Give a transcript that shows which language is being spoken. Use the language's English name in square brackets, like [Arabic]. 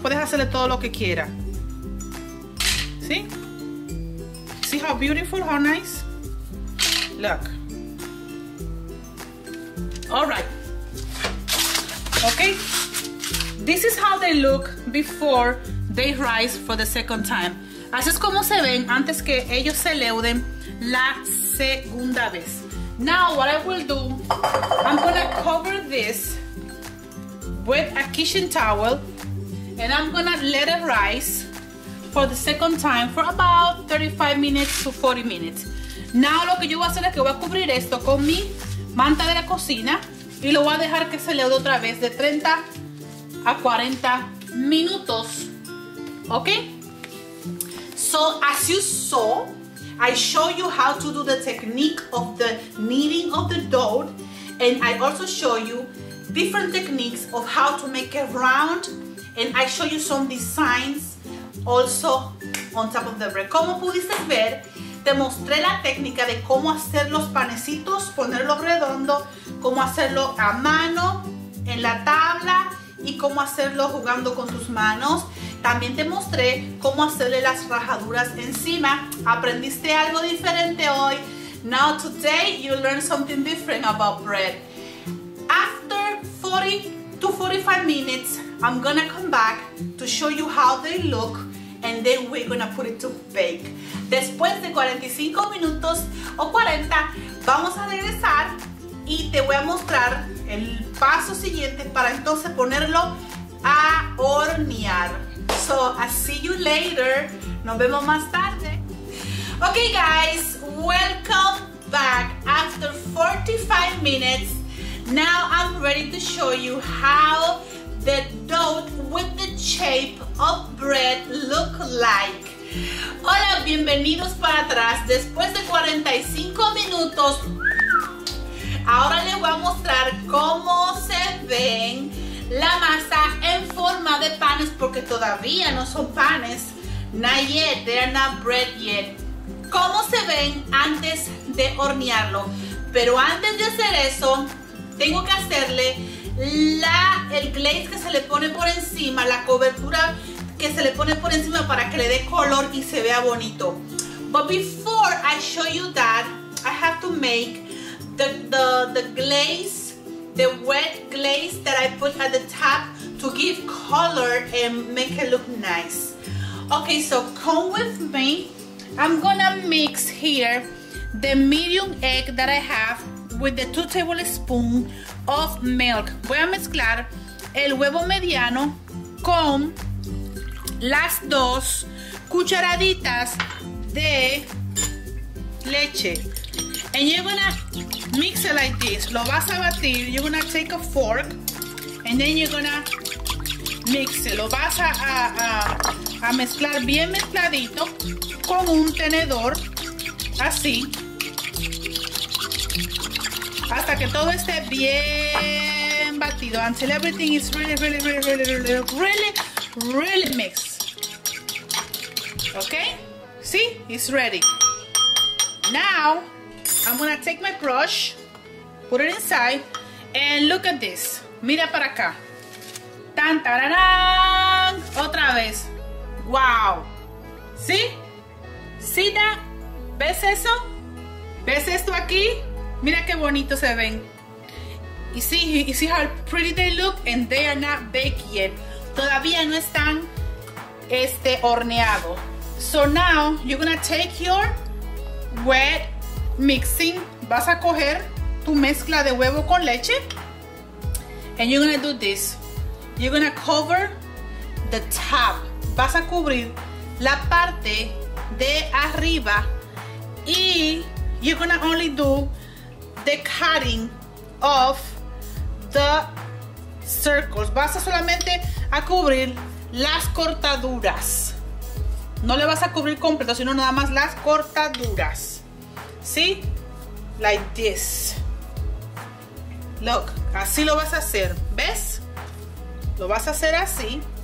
[Spanish] Puedes hacerle todo lo que quiera. ¿Sí? [English] See how beautiful, how nice? Look. Alright. Okay. This is how they look before they rise for the second time. [Spanish] Así es como se ven antes que ellos se leuden la segunda vez. [English] Now, what I will do, I'm gonna cover this with a kitchen towel and I'm gonna let it rise for the second time for about 35 minutes to 40 minutes. [Spanish] Now, lo que yo voy a hacer es que voy a cubrir esto con mi manta de la cocina y lo voy a dejar que se leude otra vez de 30 a 40 minutos. [English] Okay? So, as you saw, I show you how to do the technique of the kneading of the dough, and I also show you different techniques of how to make it round, and I show you some designs also on top of the bread. [Spanish] Como pudiste ver, te mostré la técnica de cómo hacer los panecitos, ponerlos redondos, cómo hacerlo a mano, en la tabla, y cómo hacerlo jugando con tus manos. También te mostré cómo hacerle las rajaduras encima. Aprendiste algo diferente hoy. [English] Now today you learn something different about bread. After 40 to 45 minutes, I'm gonna come back to show you how they look and then we're gonna put it to bake. [Spanish] Después de 45 minutos o 40, vamos a regresar y te voy a mostrar el paso siguiente para entonces ponerlo a hornear. [English] So, I'll see you later. [Spanish] Nos vemos más tarde. [English] Okay, guys, welcome back. After 45 minutes, now I'm ready to show you how the dough with the shape of bread look like. [Spanish] Hola, bienvenidos para atrás. Después de 45 minutos, ahora les voy a mostrar cómo se ven la masa en forma de panes, porque todavía no son panes. [English] Not yet, they are not bread yet. [Spanish] ¿Cómo se ven antes de hornearlo? Pero antes de hacer eso, tengo que hacerle el glaze que se le pone por encima, la cobertura que se le pone por encima para que le dé color y se vea bonito. [English] But before I show you that, I have to make the glaze, the wet glaze that I put at the top to give color and make it look nice. Okay, so come with me. I'm gonna mix here the medium egg that I have with the 2 tablespoons of milk. [Spanish] Voy a mezclar el huevo mediano con las 2 cucharaditas de leche. [English] And you're gonna mix it like this. [Spanish] Lo vas a batir. [English] You're gonna take a fork and then you're gonna mix it. [Spanish] Lo vas a mezclar bien mezcladito con un tenedor, así, hasta que todo esté bien batido. [English] Until everything is really, really, really, really, really, really, really, really mixed. Okay? See? It's ready. Now, I'm gonna take my brush, put it inside, and look at this. [Spanish] Mira para acá. Tan, tararán. Otra vez. Wow. ¿Sí? ¿Sí, da? ¿Ves eso? ¿Ves esto aquí? Mira qué bonito se ven. [English] You see how pretty they look? And they are not baked yet. [Spanish] Todavía no están horneado. [English] So now, you're gonna take your wet mixing, [Spanish] vas a coger tu mezcla de huevo con leche [English] and you're gonna do this. You're gonna cover the top. [Spanish] Vas a cubrir la parte de arriba y [English] you're gonna only do the cutting of the circles. [Spanish] Vas a solamente a cubrir las cortaduras. No le vas a cubrir completo, sino nada más las cortaduras. ¿Sí? [English] Like this. Look, [Spanish] así lo vas a hacer. ¿Ves? Lo vas a hacer así.